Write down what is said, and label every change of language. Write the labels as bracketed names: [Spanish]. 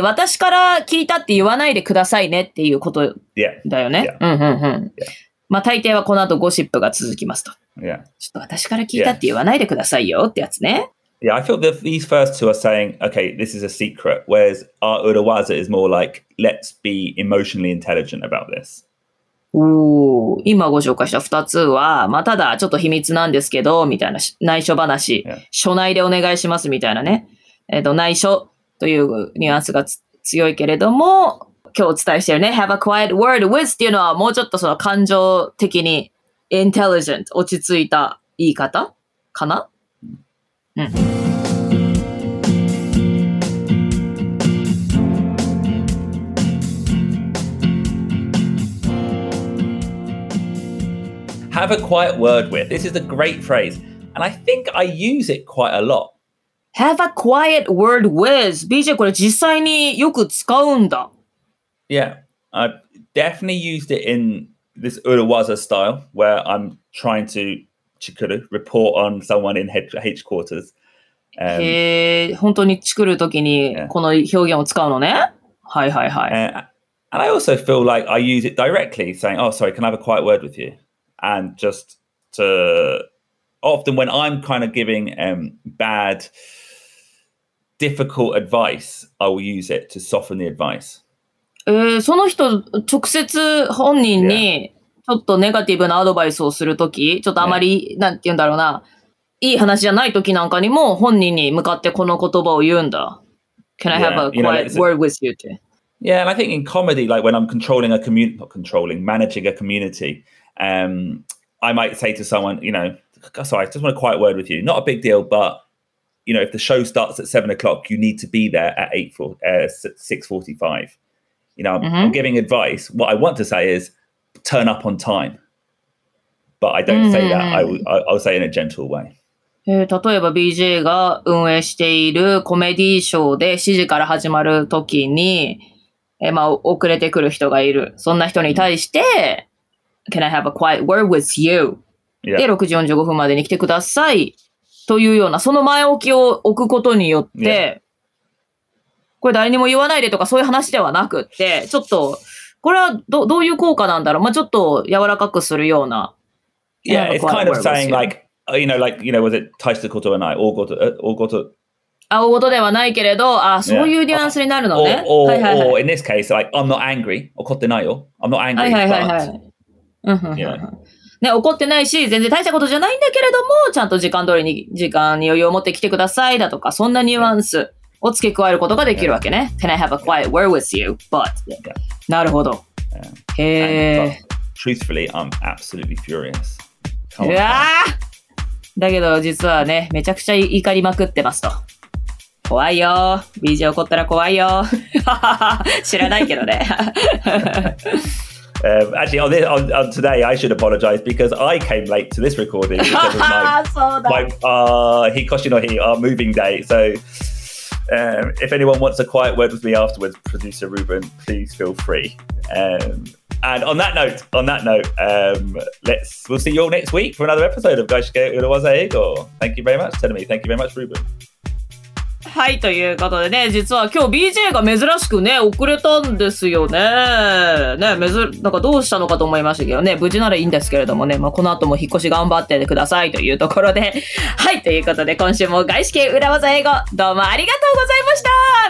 [Japanese] 私から聞いたって言わないでくださいねっていうことだよね。 [English] Yeah. [Japanese] うんうんうん。 [English] Yeah. [Japanese] まあ大抵はこの後ゴシップが続きますと。 [English] Yeah. [Japanese] ちょっと私から聞いたって言わないでくださいよってやつね。 [English] Yeah, I feel that these first two are saying, okay, this is a secret, whereas our Uruwaza is more like, let's be emotionally intelligent about this. [Japanese] おお、今ご紹介した2つは、まあ、ただちょっと秘密なんですけど、みたいな、内緒話、 [English] yeah. [Japanese] 書内でお願いします、みたいなね。内緒というニュアンスが強いけれども、今日お伝えしてるね、 [English] have a quiet word with [Japanese] っていうのは、もうちょっとその感情的に、intelligent、落ち着いた言い方かな、mm. うん。 [English] Have a quiet word with. This is a great phrase. And I think I use it quite a lot. Have a quiet word with. [Japanese] BJ, これ実際によく使うんだ。 [English] Yeah, I definitely used it in this Uruwaza style where I'm trying to chikuru, report on someone in H quarters. [Japanese] へえ、本当にチクるときにこの表現を使うのね。はいはいはい。 [English] And I also feel like I use it directly saying, oh, sorry, can I have a quiet word with you? And just to often when I'm kind of giving bad, difficult advice, I will use it to soften the advice. [Japanese] その人直接本人にちょっとネガティブなアドバイスをするとき、ちょっとあまり、 [English] yeah. [Japanese] なんて言うんだろうな、いい話じゃないときなんかにも本人に向かってこの言葉を言うんだ。 [English] Can I have a quiet word with you? Yeah, and I think in comedy, like when I'm controlling a community, not controlling, managing a community,I might say to someone, you know, sorry, I just want a quiet word with you. Not a big deal, but, you know, if the show starts at 7 o'clock, you need to be there at 6:45. You know, mm-hmm. I'm giving advice. What I want to say is turn up on time. But I don't、mm-hmm. say that. I'll say in a gentle way. [Japanese] 例えば BJ が運営しているコメディーショーで7時から始まる時に、まあ、遅れてくる人がいる。そんな人に対して、mm-hmm. [English] Can I have a quiet word with you?、 Yeah. [Japanese] で、6時45分までに来てください。というような、その前置きを置くことによって、 [English] yeah. [Japanese] これ誰にも言わないでとかそういう話ではなくって、ちょっと、これはどういう効果なんだろう、まあ、ちょっと柔らかくするような。 [English] Yeah, it's kind of saying like, you know, like, you know, was it [Japanese] 大したことはない大ごと。あ、大ごとではないけれど、あ、そういうニュアンスになるのね。 [English] Yeah. Or, [Japanese] はいはいはい、 [English] or in this case, like, I'm not angry. [Japanese] 怒ってないよ。 [English] I'm not angry, [Japanese] はいはいはい、はい、 [English] but... [Japanese] うんうんうん、ね、怒ってないし、全然大したことじゃないんだけれども、ちゃんと時間通りに、時間に余裕を持ってきてくださいだとか、そんなニュアンスを付け加えることができるわけね。 [English] Yeah. Can I have a quiet word with you? But.、Yeah. [Japanese] なるほど。 [English] Yeah. へぇ。 Truthfully, I'm absolutely furious. [Japanese] うわぁ！だけど、実はね、めちゃくちゃ怒りまくってますと。怖いよ。BJ 怒ったら怖いよ。知らないけどね。 [English] Actually, on today, I should apologize because I came late to this recording because of my [Japanese] hikoshi no hi, [English] our moving day. So,if anyone wants a quiet word with me afterwards, producer Ruben, please feel free. And on that note, we'll see you all next week for another episode of Gaishike Urawaza Eigo. Thank you very much, Tenomi. Thank you very much, Ruben. [Japanese] はい、ということでね、実は今日 BJ が珍しくね、遅れたんですよね。ね、なんかどうしたのかと思いましたけどね、無事ならいいんですけれどもね、まあ、この後も引っ越し頑張ってくださいというところで。はい、ということで今週も外資系裏技英語、どうもありがとうございました。